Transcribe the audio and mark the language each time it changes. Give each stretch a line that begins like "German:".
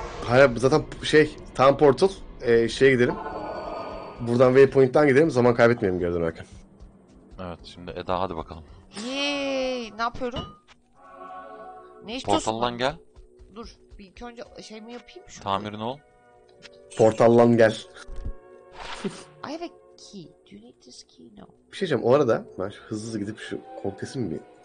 Turkish: Hayır zaten şey tam portal şeye gidelim. Buradan waypoint'tan gidelim, zaman kaybetmeyelim geri dönerek. Evet şimdi Eda hadi bakalım. Yeeey ne yapıyorum? Ne istiyorsun? Portaldan gel. Dur bir iki önce şey mi yapayım şu tamirin ol. Portaldan gel.
English: I have a key. Do you need this key? No.
Turkish: Bir şey diyeceğim o arada ben hızlı gidip şu komptesi mi bir